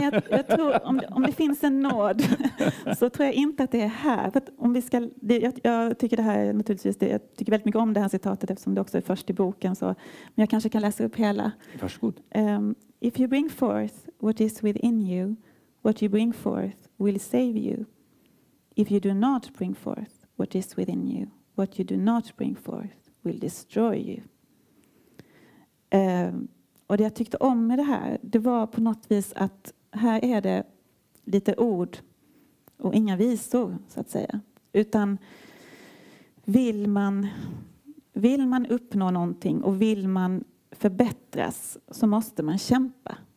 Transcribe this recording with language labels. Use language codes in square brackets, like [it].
[sv] Jag tror om det finns en nåd, så tror jag inte att det är här. För att om vi ska, jag tycker väldigt mycket om det här citatet, eftersom det också är först i boken. Så, men jag kanske kan läsa upp hela. Varsågod. [en] If you bring forth what is within you, what you bring forth will save you. If you do not bring forth what is within you, what you do not bring forth will destroy you. [sv] Och det jag tyckte om med det här, det var på något vis att här är det lite ord och inga visor, så att säga. Utan vill man uppnå någonting och vill man förbättras, så måste man kämpa.